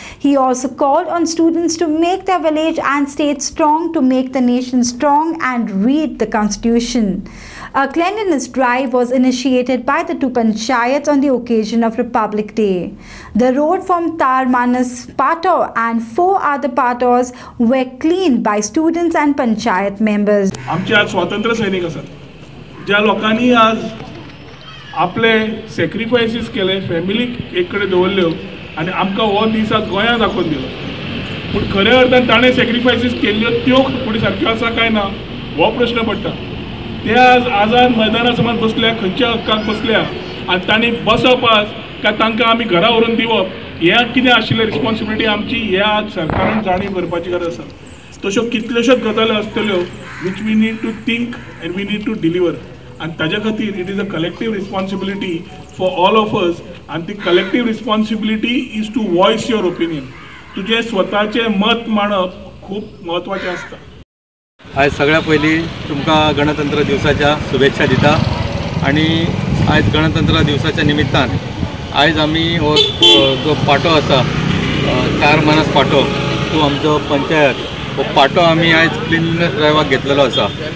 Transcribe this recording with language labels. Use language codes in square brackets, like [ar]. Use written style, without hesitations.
[en] He also called on students to make their village and state strong to make the nation strong and read the constitution. A cleanliness drive was initiated by the two panchayats on the occasion of Republic Day. The road from Tar Manas Pato and four other patos were cleaned by students and panchayat members. [kok] आमचे आज स्वातंत्र्य सैनिक असत, ज्या लोकांनी आज आपले सॅक्रिफायसेस केले, फॅमिली एक कडे दौरल्यो आणि आमकां हो दीस आज गोंया दाखोवन दिलो. पण खऱ्या अर्थान ताणें सॅक्रिफायसीस केल्ल्यो त्यो फुडें सारक्यो आसा काय ना हो प्रश्न पडटा. ते आज आझाद मैदाना समान बसल्या, खंयच्या हक्कांक बसल्या आनी तांणी बसप आज काय तांकां आमी घरा व्हरून दिवप, हे कितें आशिल्लें रिस्पोन्सिबिलिटी आमची, हे आज सरकारान जाणीव करपाची गरज आसा. तश्यो कितल्योश्यो गजाली आसतल्यो [en] Which we need to think and we need to deliver. [kok] आनी ताजे खातीर [en] It is a collective responsibility for all of us. [kok] आनी ती [en] Collective responsibility is to voice your opinion. [kok] तुजें स्वताचें मत मांडप खूब म्हत्वाचें आसता. आज सगळ्यात पहिली तुमका गणतंत्र दिवसाच्या शुभेच्छा दिता. आणि आज गणतंत्र दिवसाच्या निमित्तान आज आम्ही हो जो पाटो असा चार मानस पाटो तो आमचा पंचायत हो पाटो आम्ही आज क्लिनलीनेस ड्रायव्हाक घेतलेलो असा.